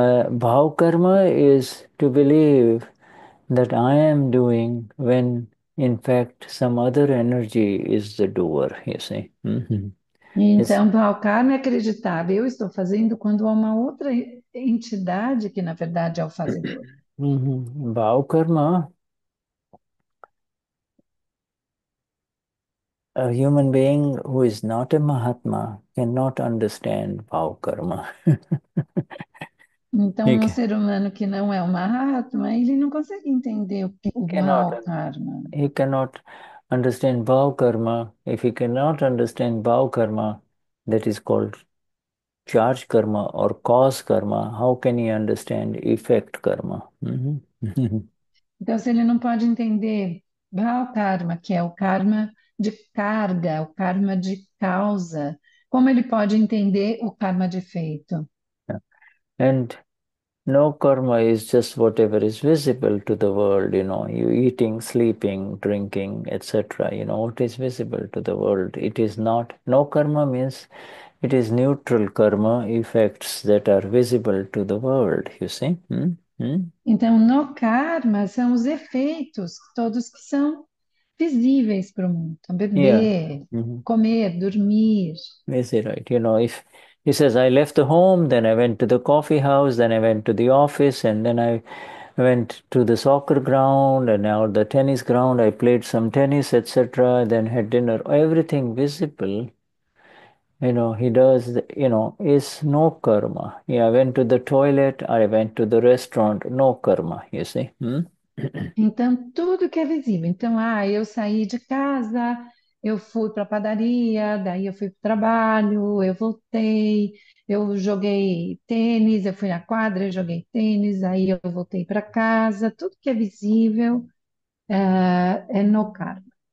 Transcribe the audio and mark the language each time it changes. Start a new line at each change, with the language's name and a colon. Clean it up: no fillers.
English: Bhav karma is to believe that I am doing when in fact some other energy is the doer, you see. It's
Portuguese: Então, Bal Karma é acreditar, eu estou fazendo quando há uma outra entidade que, na verdade, é o fazedor.
English: Bhav karma. A human being who is not a Mahatma cannot understand Bhav karma.
Portuguese: Então, um ser humano que não é uma Mahatma, ele não consegue entender o mau karma.
English: He cannot understand Bhav karma. If he cannot understand Bhav karma, that is called charge karma or cause karma, how can he understand effect karma?
Portuguese: Então, se ele não pode entender mau karma, que é o karma de carga, o karma de causa, como ele pode entender o karma de efeito?
English: And no karma is just whatever is visible to the world, you eating, sleeping, drinking, etc. What is visible to the world? It is not. No karma means it is neutral karma effects that are visible to the world, you see?
Portuguese: Então, no karma são os efeitos, todos que são visíveis para o mundo. Então, beber, comer, dormir.
English: Is it right? If he says, I left the home, then I went to the coffee house, then I went to the office, and then I went to the soccer ground, and now the tennis ground, I played some tennis, etc., then had dinner, everything visible. He does, is no karma. Yeah, I went to the toilet, I went to the restaurant, no karma, you see.
Portuguese: Então, tudo que é visível. Então, ah, eu saí de casa, Eu fui para a padaria, daí eu fui para o trabalho, eu voltei, eu joguei tênis, eu fui na quadra, eu joguei tênis, aí eu voltei para casa. Tudo que é visível é no karma.